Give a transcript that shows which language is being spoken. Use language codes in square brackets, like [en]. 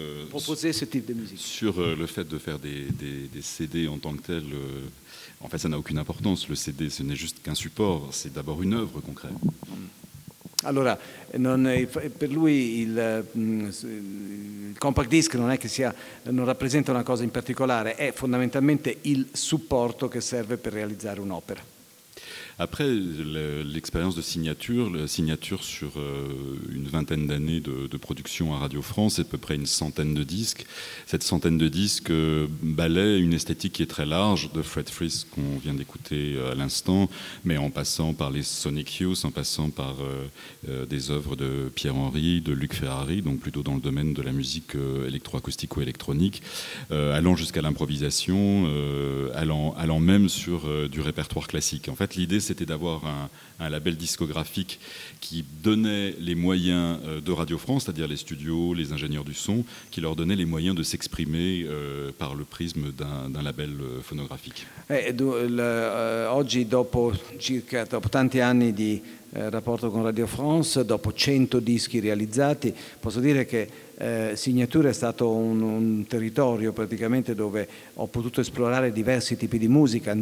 [fr] Proposer ce type de musique. sur le fait de faire des CD en tant que tel, en fait, ça n'a aucune importance. Le CD, ce n'est juste qu'un support, c'est d'abord une œuvre concrète. [it] Allora, non è, per lui il compact disc non è che sia, non rappresenta una cosa in particolare, è fondamentalmente il supporto che serve per realizzare un'opera. [fr] Après l'expérience de Signature, la Signature sur une vingtaine d'années de production à Radio France, c'est à peu près une centaine de disques. Cette centaine de disques balaie une esthétique qui est très large, de Fred Frith qu'on vient d'écouter à l'instant, mais en passant par les Sonic Youth, en passant par des œuvres de Pierre-Henry, de Luc Ferrari, donc plutôt dans le domaine de la musique électroacoustique ou électronique, allant jusqu'à l'improvisation, allant même sur du répertoire classique. En fait, l'idée, c'était d'avoir un label discographique qui donnait les moyens de Radio France, c'est-à-dire les studios, les ingénieurs du son, qui leur donnait les moyens de s'exprimer par le prisme d'un label phonographique. [it] Oggi, dopo tanti anni di rapporto con Radio France, dopo 100 dischi realizzati, posso dire che Signature è stato un territorio praticamente dove ho potuto esplorare diversi tipi di musica.